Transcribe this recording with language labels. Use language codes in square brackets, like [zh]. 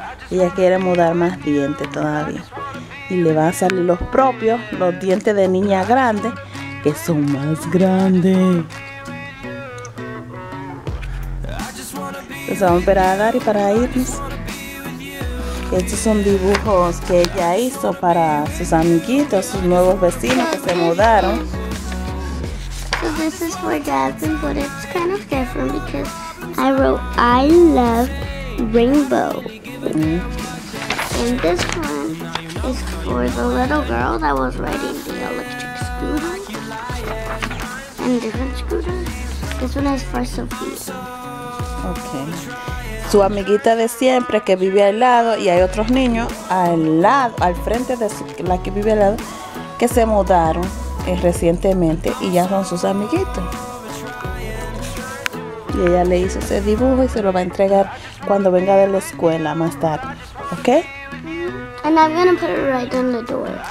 [es] Ella quiere mudar más dientes todavía y le van a salir los propios, los dientes de niña grande, que son más grandes. Entonces vamos a esperar a Dari para irnos. Estos son dibujos que ella hizo para sus amiguitos, sus nuevos vecinos que se mudaron. [en] So this is for dads and but it's kind of different because I wrote I love rainbow. Mm-hmm. And this one is for the little girl that was riding the electric scooter. And different scooters. This one is for Sophia. Okay. [es] Su amiguita de siempre que vive al lado y hay otros niños al lado, al frente de la que vive al lado, que se mudaron recientemente y ya son sus amiguitos. Y ella le hizo ese dibujo y se lo va a entregar cuando venga de la escuela más tarde, ¿ok? [en] And I'm gonna put it right on the door.